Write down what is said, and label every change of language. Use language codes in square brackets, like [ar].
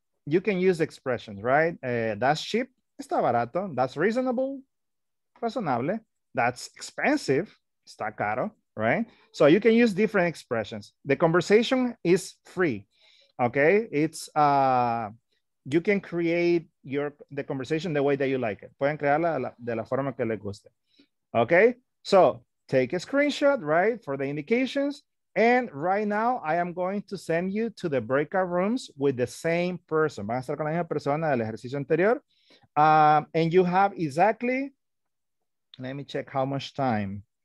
[en] You can use expressions, right? That's cheap. [es] Está barato. [en] That's reasonable. Razonable. That's expensive. [es] Está caro, [en] right? So you can use different expressions. The conversation is free, okay? It's, you can create the conversation the way that you like it. [es] Pueden crearla de la forma que les guste. [en] Okay? So take a screenshot, right, for the indications. And right now, I am going to send you to the breakout rooms with the same person. [es] Van a estar con la misma persona del ejercicio anterior. [en] And you have exactly, let me check how much time.